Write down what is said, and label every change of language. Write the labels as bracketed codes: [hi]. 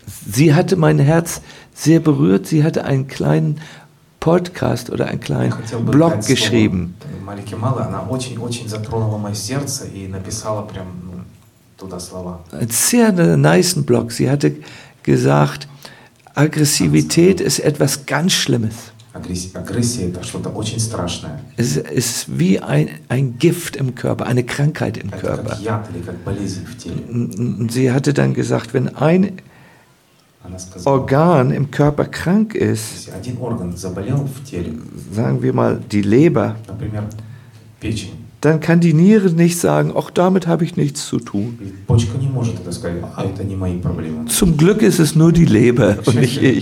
[de] Sie hatte mein Herz sehr berührt. Sie hatte einen kleinen Podcast oder einen kleinen Blog geschrieben. [ru] Malika Mala, она очень, очень затронула мое сердце и написала прям туда слова. [de] Sehr nice Blog. Sie hatte gesagt, Aggressivität ist etwas ganz Schlimmes. Aggressivität, das ist etwas [ru] очень страшное. [de] Es ist wie ein Gift im Körper, eine Krankheit im Körper. [ru] Это как яд или как болезнь в теле. [de] Und sie hatte dann gesagt, wenn ein Organ im Körper krank ist, [ru] один орган заболел в теле, [de] sagen wir mal die Leber, [ru] например, печень, [de] dann kann die Niere nicht sagen, auch damit habe ich nichts zu tun. [ru] Почка не может это сказать, это не мои проблемы. [de] Zum Glück ist es nur die Leber und nicht ich.